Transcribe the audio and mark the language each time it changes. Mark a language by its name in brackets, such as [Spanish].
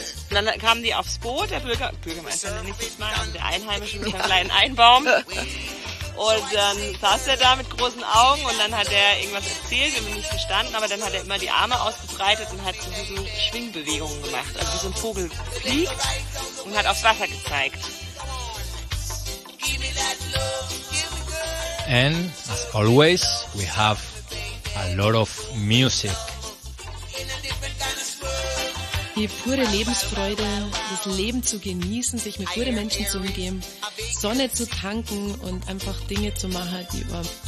[German] Und dann kamen die aufs Boot, der Bürgermeister, nenne ich mal, und der Einheimische mit einem kleinen Einbaum. Und dann saß er da mit großen Augen und dann hat er irgendwas erzählt, wir haben nicht verstanden, aber dann hat er immer die Arme ausgebreitet und hat so diese Schwingbewegungen gemacht, also wie so ein Vogel fliegt und hat aufs Wasser gezeigt. [English] And, as always, we have a lot of music. [German] Die pure Lebensfreude, das Leben zu genießen, sich mit guten Menschen zu umgeben, Sonne zu tanken und einfach Dinge zu machen, die über...